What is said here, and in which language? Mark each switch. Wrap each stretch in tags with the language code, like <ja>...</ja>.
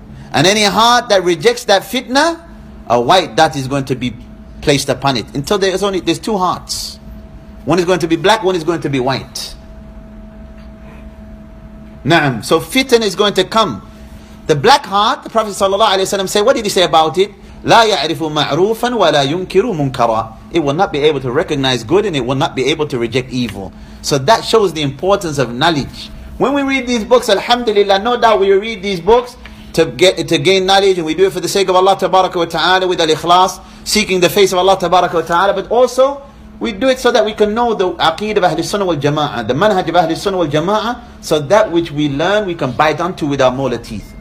<en>And any heart that rejects that fitna, a white dot is going to be placed upon it. Until there's two hearts. One is going to be black, one is going to be white. Na'am. So fitna is going to come. The black heart, the Prophet sallallahu alaihi wasallam said, what did he say about it?</en> <ar>لا يعرف معروفا ولا ينكر منكرا.</ar> <en>It will not be able to recognize good and it will not be able to reject evil. So that shows the importance of knowledge. When we read these books, alhamdulillah, no doubt we read these books to gain knowledge, and we do it for the sake of Allah tabaraka wa ta'ala with al-ikhlas, seeking the face of Allah tabaraka wa ta'ala, but also we do it so that we can know the aqeed of Ahlul Sunnah wal Jama'ah, the manhaj of Ahlul Sunnah wal Jama'ah, so that which we learn we can bite onto with our molar teeth.</en>